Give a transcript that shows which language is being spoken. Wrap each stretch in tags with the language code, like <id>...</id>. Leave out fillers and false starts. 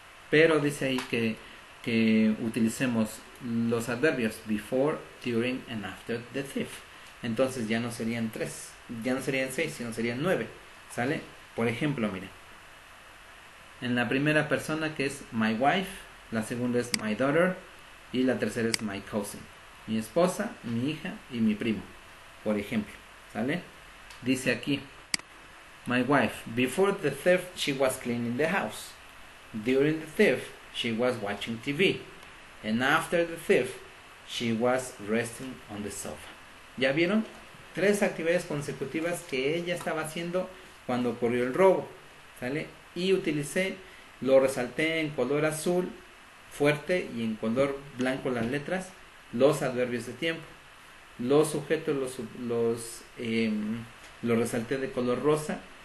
<es>Pero dice ahí que utilicemos los adverbios</es> <en>before, during and after the thief.</en> <es>Entonces ya no serían 3, ya no serían 6, sino serían 9. ¿Sale? Por ejemplo, miren. En la primera persona que es my wife, la segunda es my daughter y la tercera es my cousin. Mi esposa, mi hija y mi primo. Por ejemplo, ¿sale? Dice aquí,</es> <en>my wife, before the thief she was cleaning the house. During the thief she was watching TV. And after the thief, she was resting on the sofa.</en> <es>¿Ya vieron? Tres actividades consecutivas que ella estaba haciendo cuando ocurrió el robo. ¿Sale? Y utilicé, lo resalté en color azul fuerte y en color blanco las letras, los adverbios de tiempo. Los sujetos los resalté de color rosa.</es>